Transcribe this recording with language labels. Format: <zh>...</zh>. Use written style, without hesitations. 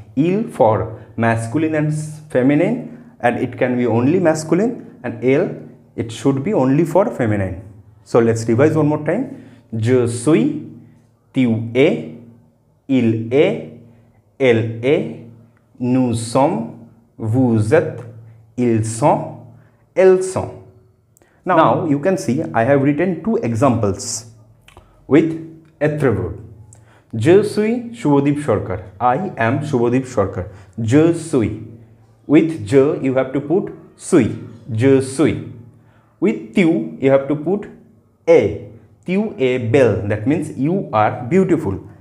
<en>Il for masculine and feminine, and it can be only masculine, and elle, it should be only for feminine. So let's revise one more time.</en> <fr>Je suis, tu es, il est, elle est, nous sommes, vous êtes, ils sont, elles sont.</fr> <en>Now you can see I have written two examples with être verb.</en> <fr>Je suis Shubhadeep Sarkar.</fr> <en>I am Shubhadeep Sarkar.</en> <fr>Je suis.</fr> <en>With je you have to put suis.</en> <fr>Je suis.</fr> <en>With tu you have to put a,</en> <fr>tu es belle,</fr> <en>that means you are beautiful.</en>